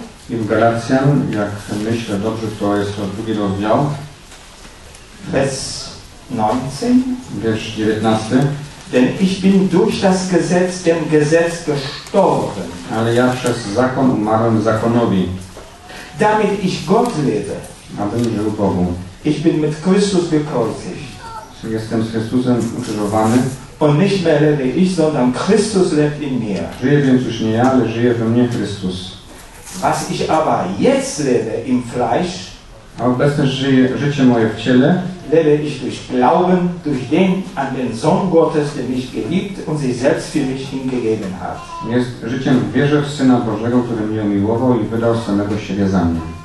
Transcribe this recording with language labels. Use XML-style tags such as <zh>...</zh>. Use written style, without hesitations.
<pl>I w Galacjan, jak myślę dobrze, to jest to drugi rozdział. Bez 19. Wiersz 19.</pl> <de>Denn ich bin durch das Gesetz dem Gesetz gestorben.</de> <pl>Ale ja przez zakon umarłem zakonowi.</pl> <de>Damit ich Gott lebe.</de> <pl>Abym żył Bogu.</pl> <de>Ich bin mit Christus gekreuzigt.</de> <pl>Jestem z Chrystusem ukrzyżowany.</pl> <de>Und nicht mehr lebe ich, sondern Christus lebt in mir.</de> <pl>Żyję więc już nie ja, ale żyje we mnie Chrystus.</pl> <de>Was ich aber jetzt lebe im Fleisch.</de> <pl>A obecnie żyje życie moje w ciele.</pl> <de>Lebe ich durch Glauben, durch den an den Sohn Gottes, der mich geliebt und sich selbst für mich hingegeben hat.</de> <pl>Jest życiem w wierze w Syna Bożego, który mnie umiłował i wydał samego siebie za mnie.</pl>